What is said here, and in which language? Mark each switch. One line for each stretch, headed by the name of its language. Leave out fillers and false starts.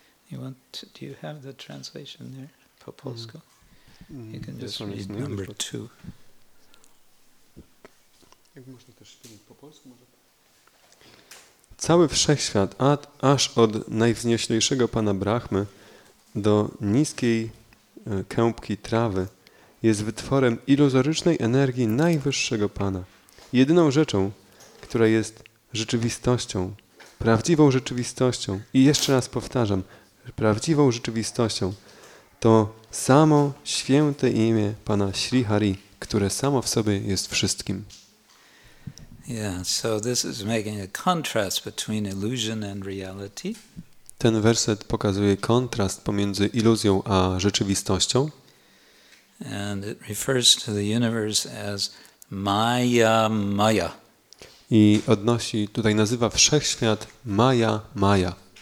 English: Do you have the translation there, Popolsko? You can just read number 2.
Polish: Jak można też powiedzieć po polsku? Może? Cały wszechświat, aż od najwznioślejszego pana Brahmy do niskiej kępki trawy, jest wytworem iluzorycznej energii najwyższego pana. Jedyną rzeczą, która jest rzeczywistością, prawdziwą rzeczywistością, i jeszcze raz powtarzam, prawdziwą rzeczywistością, to samo święte imię pana Śri Hari, które samo w sobie jest wszystkim.
English: Yeah, so this is making a contrast between illusion and reality.
Polish: Ten werset pokazuje kontrast pomiędzy iluzją a rzeczywistością.
English: And it refers to the universe as Maya Maya.
Polish: I odnosi, tutaj nazywa wszechświat Maya Maya.